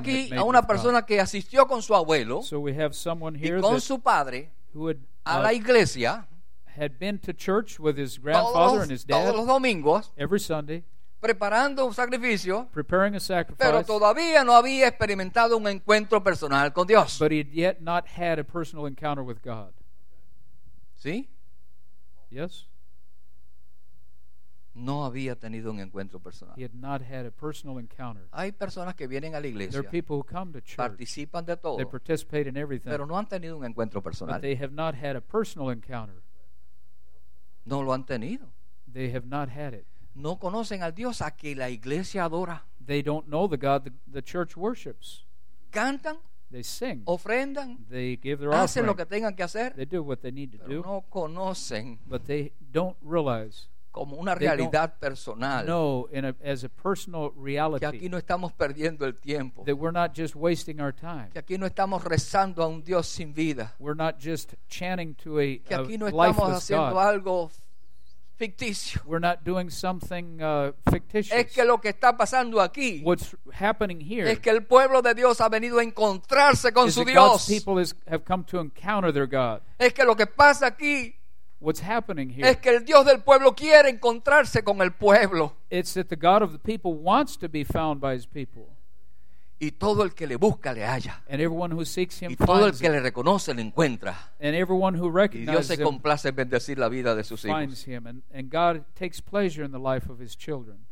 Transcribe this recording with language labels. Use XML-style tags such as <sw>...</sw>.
<es>aquí a una persona que asistió con su abuelo</es> <en>so we have someone here</en> <es>y con</es> <en>that,</en> <es>su padre</es> <en>who had,</en> <es>a la iglesia</es> <en>had been to church with his grandfather</en> <es>todos,</es> <en>and his dad</en> <es>todos los domingos,</es> <en>every Sunday</en> <es>preparando un sacrificio,</es> <en>preparing a sacrifice,</en> <es>pero todavía no había experimentado un encuentro personal con Dios.</es> <en>But he had yet not had a personal encounter with God.</en> <es>¿Sí?</es> <en>Yes.</en> <es>No había tenido un encuentro personal.</es> <en>He had not had a personal encounter.</en> <es>Hay personas que vienen a la iglesia.</es> <en>There are people who come to church.</en> <es>Participan de todo.</es> <en>They participate in everything.</en> <es>Pero no han tenido un encuentro personal.</es> <en>But they have not had a personal encounter.</en> <es>No lo han tenido.</es> <en>They have not had it.</en> <es>No conocen al Dios a que la iglesia adora.</es> <en>They don't know the God the church worships.</en> <es>Cantan.</es> <en>They sing.</en> <es>Ofrendan.</es> <en>They give their</en> <es>hacen</es> <en>offering.</en> <es>Lo que tengan que hacer.</es> <en>They do what they need to</en> <es>pero No conocen.</es> <en>But they don't realize.</en> <es>Como una realidad personal.</es> <en>No, as a personal reality.</en> <es>Que aquí no estamos perdiendo el tiempo.</es> <en>That we're not just wasting our time.</en> <es>Que aquí no estamos rezando a un Dios sin vida.</es> <en>We're not just chanting to a</en> <es>que aquí no</es> <en>a lifeless</en> <es>estamos haciendo</es> <en>God.</en> <es>Algo ficticio.</es> <en>We're not doing something fictitious.</en> <es>Es que lo que está pasando aquí.</es> <en>What's happening here.</en> <es>Es que el pueblo de Dios ha venido a encontrarse con</es> <en>is</en> <es>su Dios.</es> <en>God's people have come to encounter their God.</en> <es>Es que lo que pasa aquí.</es> <en>What's happening here?</en> <es>Es que el Dios del pueblo quiere encontrarse con el pueblo.</es> <en>It's that the God of the people wants to be found by his people.</en> <es>Y todo el que le busca le halla.</es> <en>And everyone who seeks him</en> <es>y todo</es> <en>finds</en> <es>el que le reconoce le encuentra.</es> <en>And everyone who recognizes</en> <es>y Dios se complace en bendecir la vida de sus hijos.</es> <en>Finds him and God takes pleasure in the life of his children.</en>